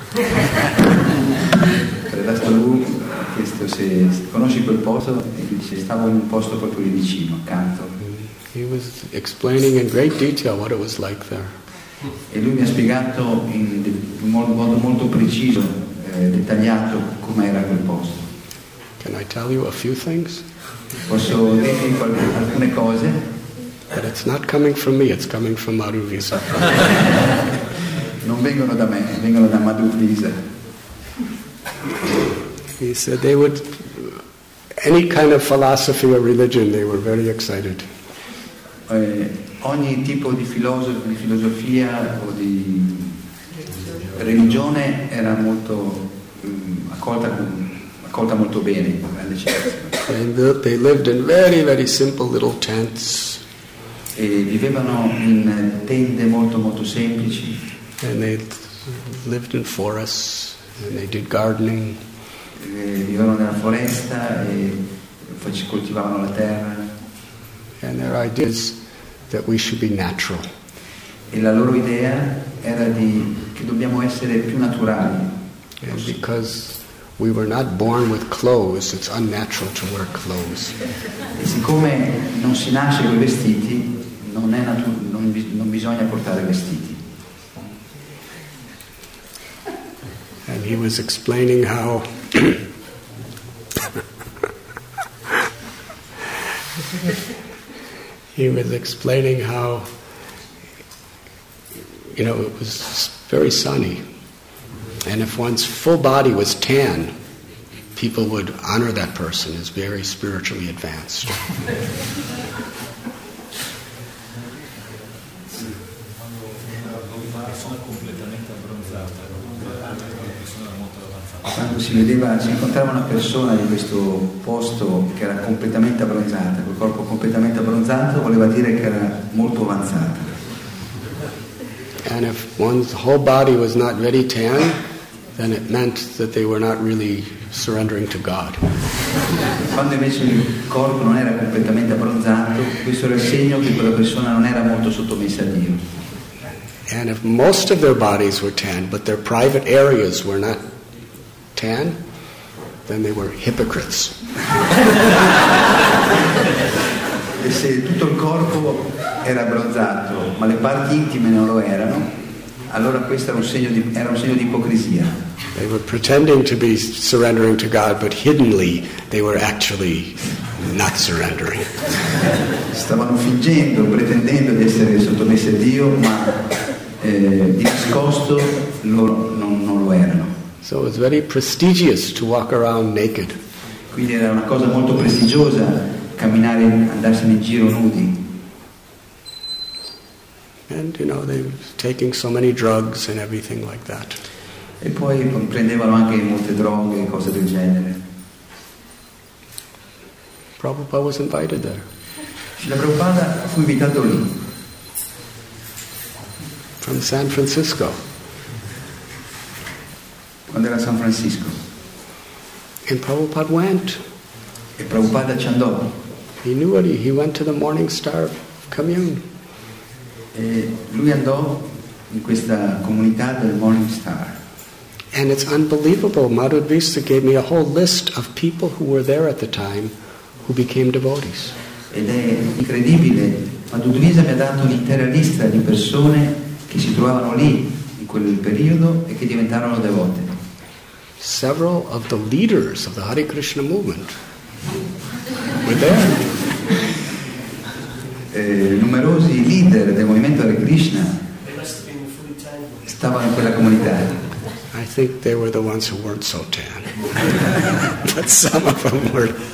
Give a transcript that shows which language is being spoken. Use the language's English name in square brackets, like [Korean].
[Italian] Trayas Prabhu ha chiesto se conosci quel posto e dice stavo in un posto proprio lì vicino, accanto. [English] He was explaining in great detail what it was like there. [Italian] E lui mi ha spiegato in modo molto preciso, dettagliato com'era quel posto. [English] Can I tell you a few things? [Italian] Posso dirvi alcune cose? [English] But it's not coming from me, it's coming from Madhu Visa. [Italian] Non vengono da me, vengono da Madhu Visa. [English] He said they would, any kind of philosophy or religion, they were very excited. [Italian] Ogni tipo di filosofia o di religione era molto accolta molto bene. [English] And they lived in very, very simple little tents. [Italian] E vivevano in tende molto molto semplici. [English] And they lived in forests and they did gardening. [Italian] E vivevano nella foresta e coltivavano la terra. [English] And their ideas that we should be natural. [Italian] E la loro idea era di che dobbiamo essere più naturali. [English] And because we were not born with clothes, it's unnatural to wear clothes. [Italian] E siccome non si nasce con i vestiti, non bisogna portare vestiti. [English] And he was explaining how he was explaining how, you know, it was very sunny. And if one's full body was tan, people would honor that person as very spiritually advanced. [Italian] Quando si vedeva, si incontrava una persona di questo posto che era completamente abbronzata, col corpo completamente abbronzato, voleva dire che era molto avanzata. [English] And if one's whole body was not very tan, then it meant that they were not really surrendering to God. [Italian] Quando invece il corpo non era completamente abbronzato, questo era il segno che quella persona non era molto sottomessa a Dio. [English] And if most of their bodies were tan, but their private areas were not tan, then they were hypocrites. [Italian] E se tutto il corpo era abbronzato, ma le parti intime non lo erano, allora questo era un segno di ipocrisia. [English] They were pretending to be surrendering to God, but hiddenly they were actually not surrendering. [Italian] Stavano fingendo, pretendendo di essere sottomessi a Dio, ma di nascosto loro non lo erano. [English] So it was very prestigious to walk around naked. [Italian] Quindi era una cosa molto prestigiosa camminare, andarsene in giro nudi. [English] And you know, they were taking so many drugs and everything like that. [Italian] E poi prendevano anche molte droghe e cose del genere. [English] Prabhupada was invited there. [Italian] Srila Prabhupada fu invitato lì. [English] From San Francisco. [Italian] Quando era a San Francisco. [English] And Prabhupada went. [Italian] E Prabhupada ci andò. [English] He knew what he went to the Morning Star commune. [Italian] E lui andò in questa comunità del Morning Star. [English] And it's unbelievable. Madhudvisa gave me a whole list of people who were there at the time who became devotees. [Italian] Ed è incredibile. Madhudvisa mi ha dato un'intera lista di persone che si trovavano lì in quel periodo e che diventarono devote. [English] Several of the leaders of the Hare Krishna movement were there. [Italian] Numerosi leader del movimento Hare Krishna stavano in quella comunità. [English] I think they were the ones who weren't so tan. But some of them were.